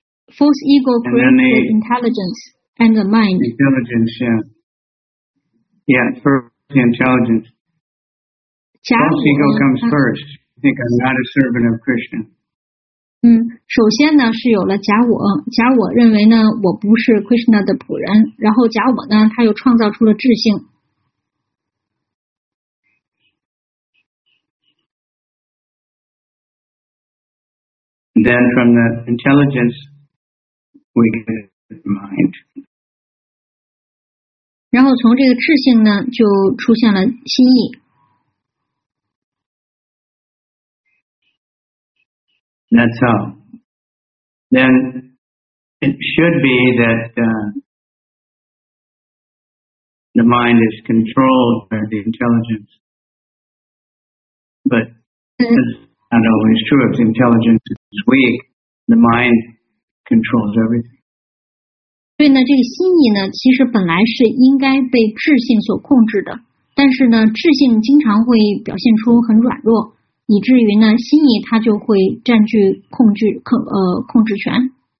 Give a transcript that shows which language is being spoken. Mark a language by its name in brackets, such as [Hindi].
[English] False ego creates the intelligence and the mind. Intelligence, yeah. Yeah, first, the intelligence. False ego comes first. I think I'm not a servant of Krishna. [Chinese] 首先呢是有了假我，假我认为呢我不是 Krishna 的仆人，然后假我呢他又创造出了智性。 [English] Then from the intelligence, we get the mind. [Chinese] 然后从这个智性呢就出现了心意。 [English] That's all. Then it should be that the mind is controlled by the intelligence. But that's not always true. If the intelligence is weak, the mind controls everything. [Chinese] 对呢，这个心意呢，其实本来是应该被智性所控制的，但是呢，智性经常会表现出很软弱。以至于呢，心意它就会占据控制权。